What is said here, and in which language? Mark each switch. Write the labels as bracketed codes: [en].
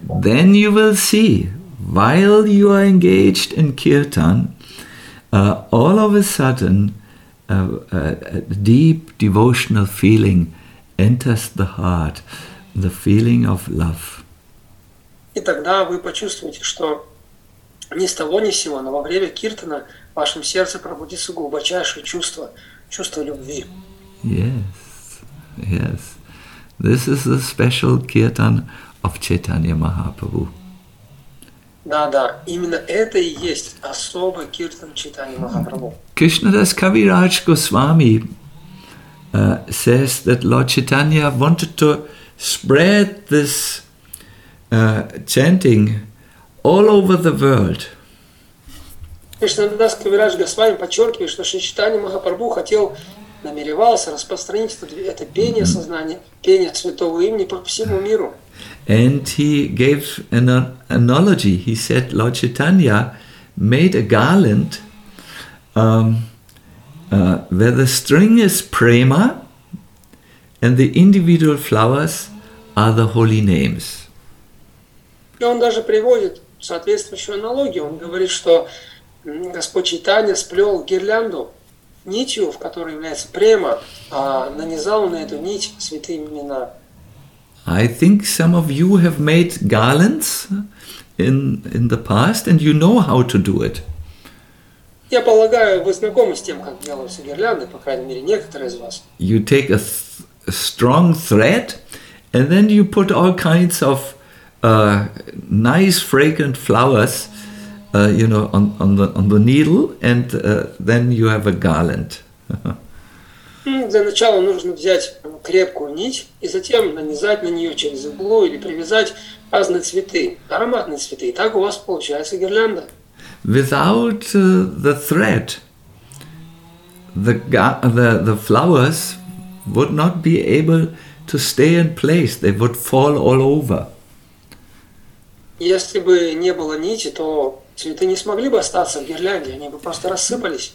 [en] Then you will see, while you are engaged in kirtan, all of a sudden, a deep devotional feeling enters the heart, the feeling of love. [ru] И тогда вы почувствуете, что ни с того ни с сего, но во время киртана в вашем сердце пробудится глубочайшее чувство, чувство любви. [en] Yes, yes. This is the special kirtan of Chaitanya Mahaprabhu. [ru] Да, да, именно это и есть особый киртан Чайтаньи Махапрабху. [en] Кришнадас Кавирадж Госвами says that Lord Chaitanya wanted to spread this chanting all over the world. [ru] Кришнадас Кавирадж Госвами подчеркивает, что Чайтанья Махапрабху хотел, намеревался распространить это пение сознания, пение святого имени по всему миру. [en] And he gave an analogy. He said Lord Chaitanya made a garland where the string is prema and the individual flowers are the holy names. [ru] И он даже приводит соответствующую аналогию. Он говорит, что Господь Чайтанья сплел гирлянду нитью, в которой является према, а нанизал на эту нить святые имена. [en] I think some of you have made garlands in the past, and you know how to do it. [ru] Я полагаю, вы знакомы с тем, как делаются гирлянды, по крайней мере, некоторые из вас. [en] You take a strong thread, and then you put all kinds of nice fragrant flowers, you know, on the needle, and then you have a garland. [ru] Для начала нужно взять крепкую нить и затем нанизать на нее через иглу или привязать разные цветы, ароматные цветы. И так у вас получается гирлянда. [en] Without the thread, the flowers would not be able to stay in place. They would fall all over. [ru] Если бы не было нити, то цветы не смогли бы остаться в гирлянде, они бы просто рассыпались.